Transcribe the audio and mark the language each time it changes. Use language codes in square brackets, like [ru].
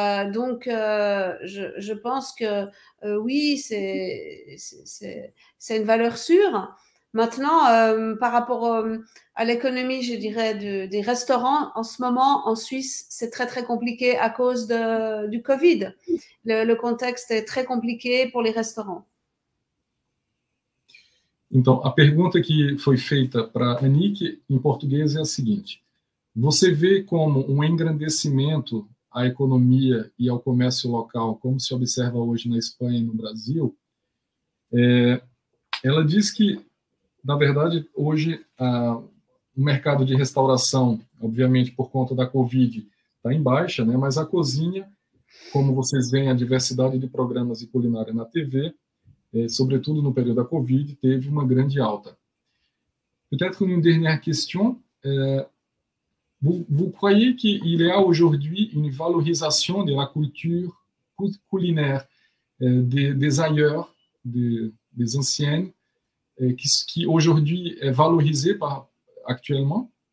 [fr] Donc, je pense que oui, c'est une valeur sûre. Maintenant, par rapport à l'économie, je dirais, des restaurants, en ce moment, en Suisse, c'est très, très compliqué à cause du Covid. Le contexte est très compliqué pour les restaurants. [pt] Então, a pergunta que foi feita para a Anick, em português, é a seguinte. Você vê como engrandecimento à economia e ao comércio local, como se observa hoje na Espanha e no Brasil, ela diz que, na verdade, hoje, o mercado de restauração, obviamente, por conta da Covid, está em baixa, né? Mas a cozinha, como vocês veem, a diversidade de programas de culinária na TV, sobretudo no período da Covid, teve uma grande alta. [fr] Peut-être une dernière question. Vous croyez qu'il y a aujourd'hui une valorisation de la culture culinaire des ailleurs, des anciennes, qui aujourd'hui est valorisée actuellement?